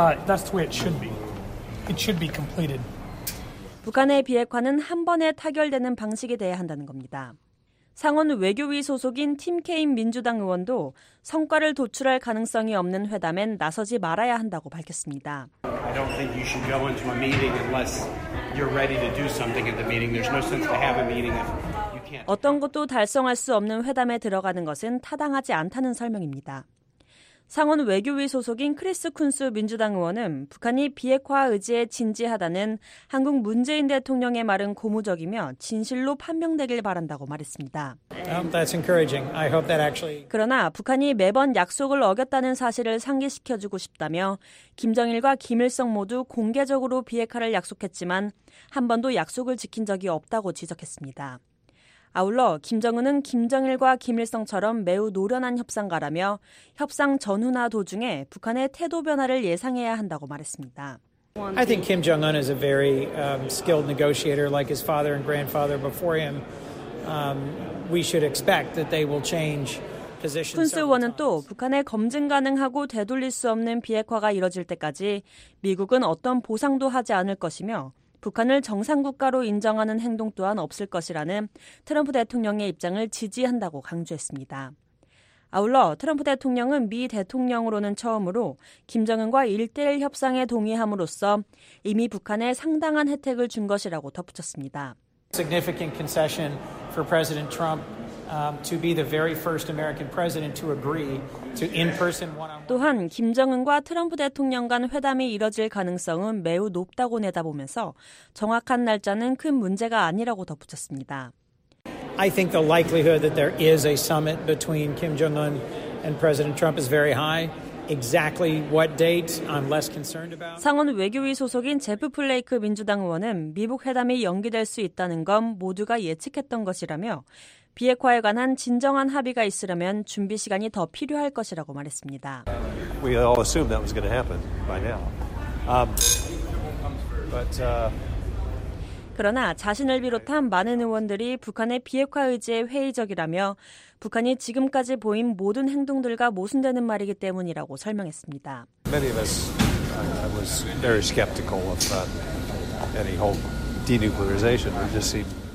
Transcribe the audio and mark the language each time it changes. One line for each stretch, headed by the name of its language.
English: That's the way it should be. It should be completed.
Korean: 북한의 비핵화는 한 번에 타결되는 방식이 돼야 한다는 겁니다. 상원 외교위 소속인 팀 케인 민주당 의원도 성과를 도출할 가능성이 없는 회담엔 나서지 말아야 한다고 밝혔습니다.
English: I don't think you should go into a meeting unless you're ready to do something at the meeting. There's no sense to have a meeting if
Korean: 어떤 것도 달성할 수 없는 회담에 들어가는 것은 타당하지 않다는 설명입니다. 상원 외교위 소속인 크리스 쿤스 민주당 의원은 북한이 비핵화 의지에 진지하다는 한국 문재인 대통령의 말은 고무적이며 진실로 판명되길 바란다고 말했습니다.
English: That's encouraging. I hope that actually...
Korean: 그러나 북한이 매번 약속을 어겼다는 사실을 상기시켜주고 싶다며 김정일과 김일성 모두 공개적으로 비핵화를 약속했지만 한 번도 약속을 지킨 적이 없다고 지적했습니다. 아울러 김정은은 김정일과 김일성처럼 매우 노련한 협상가라며 협상 전후나 도중에 북한의 태도 변화를 예상해야 한다고 말했습니다.
English: I think Kim Jong-un is a very skilled negotiator like his father and grandfather before him. We should expect that they will change position.
Korean: 쿤스 의원은 또 북한의 검증 가능하고 되돌릴 수 없는 비핵화가 이뤄질 때까지 미국은 어떤 보상도 하지 않을 것이며 북한을 정상국가로 인정하는 행동 또한 없을 것이라는 트럼프 대통령의 입장을 지지한다고 강조했습니다. 아울러 트럼프 대통령은 미 대통령으로는 처음으로 김정은과 1대1 협상에 동의함으로써 이미 북한에 상당한 혜택을 준 것이라고 덧붙였습니다.
English: Significant concession for President Trump to be the very first American president to agree to in-person one-on-one.
Korean: 또한 김정은과 트럼프 대통령 간 회담이 이뤄질 가능성은 매우 높다고 내다보면서 정확한 날짜는 큰 문제가 아니라고 덧붙였습니다.
English: I think the likelihood that there is a summit between Kim Jong-un and President Trump is very high. Exactly what date I'm less concerned about.
Korean: 상원 외교위 소속인 제프 플레이크 민주당 의원은 미북 회담이 연기될 수 있다는 건 모두가 예측했던 것이라며 비핵화에 관한 진정한 합의가 있으려면 준비 시간이 더 필요할 것이라고 말했습니다.
English: We all assumed that was going to happen by now. But
Korean: 그러나 자신을 비롯한 많은 의원들이 북한의 비핵화 의지에 회의적이라며 북한이 지금까지 보인 모든 행동들과 모순되는 말이기 때문이라고 설명했습니다.
English: Many of us was very skeptical of any whole denuclearization. We just seem